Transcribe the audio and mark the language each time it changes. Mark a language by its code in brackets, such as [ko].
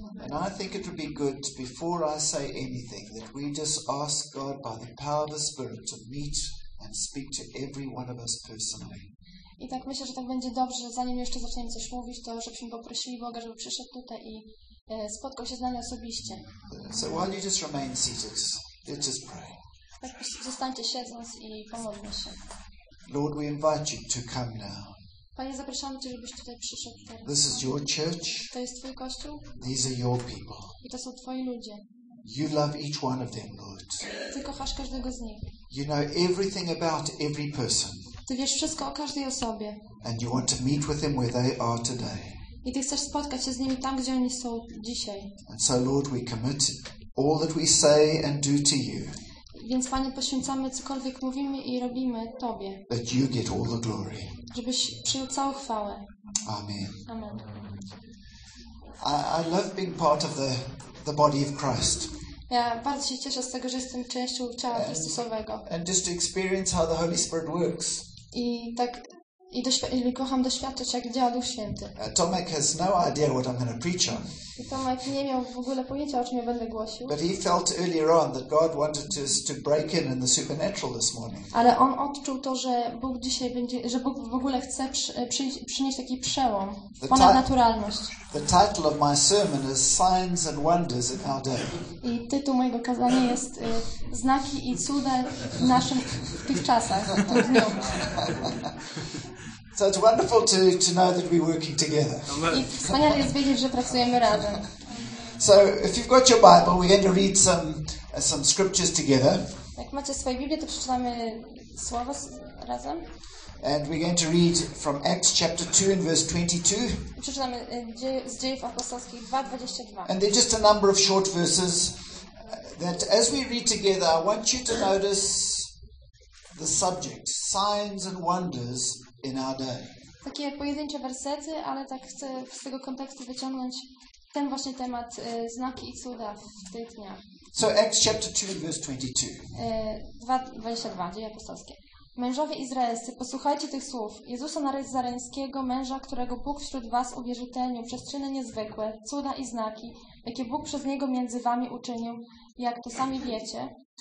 [en] And I think it would be good before I say anything that we just ask God by the power of the Spirit to meet and speak to every one of us personally. [pl] I tak myślę, że tak będzie dobrze, że zanim jeszcze zaczniemy coś mówić, to żebyśmy poprosili Boga, żeby przyszedł tutaj i spotkał się z nami osobiście. [en] So while you just remain seated, let's just pray. [pl] Tak, zostańcie siedząc i pomodlmy się. [en] Lord, we invite you to come now. [pl] Panie, zapraszamy Cię, żebyś tutaj przyszedł teraz. [en] This is your church. [pl] To jest Twój Kościół. [en] These are your people. [pl] I to są Twoi ludzie. [en] You love each one of them, Lord. [pl] Ty kochasz każdego z nich. [en] You know everything about every person. [pl] Ty wiesz wszystko o każdej osobie. [en] And you want to meet with them where they are today. [pl] I ty chcesz spotkać się z nimi tam, gdzie oni są dzisiaj. [en] And so, Lord, we commit all that we say and do to you. [pl] Więc Panie, poświęcamy cokolwiek mówimy i robimy Tobie. [en] That you get all the glory. [pl] Żebyś przyjął całą chwałę. [en] Amen. [pl] Amen. [en] I love being part of the body of Christ. [pl] Ja bardzo się cieszę z tego, że jestem częścią ciała Chrystusowego. [en] And just to experience how the Holy Spirit works. [pl] I kocham doświadczać, jak działa Duch Święty. [en] Tomek has no idea what I'm going to preach on. [pl] I Tomek nie miał w ogóle pojęcia, o czym ja będę głosił. [en] But he felt earlier on that God wanted us to break in the supernatural this morning. [pl] Ale on odczuł to, że Bóg dzisiaj będzie, że Bóg w ogóle chce przynieść taki przełom, ponadnaturalność. [en] The title of my sermon is Signs and Wonders in Our Day. [pl] I tytuł mojego kazania jest Znaki i cuda w naszym w tych czasach. [en] So it's wonderful to know that we're working together. [pl] I wspaniale jest wiedzieć, że pracujemy razem. [en] So if you've got your Bible, we're going to read some scriptures together. [pl] Jak macie swoje Biblię, to przeczytamy słowo razem. [en] And we're going to read from Acts chapter 2 and verse 22. [pl] Przeczytamy z Dziejów Apostolskich 2:22. [en] And there are just a number of short verses that as we read together, I want you to notice the subject, signs and wonders. In our day. [pl] Takie pojedyncze wersety, ale tak chcę z tego kontekstu wyciągnąć ten właśnie temat znaki i cuda w tych dniach. [en] So Acts chapter 2 verse 22. [pl] 22, Dzieje Apostolskie. Mężowie Izraelscy, posłuchajcie tych słów. Jezusa Nazareńskiego, męża, którego Bóg wśród was uwierzytelnił przez czyny niezwykłe, cuda i znaki, jakie Bóg przez niego między wami uczynił, jak to sami wiecie.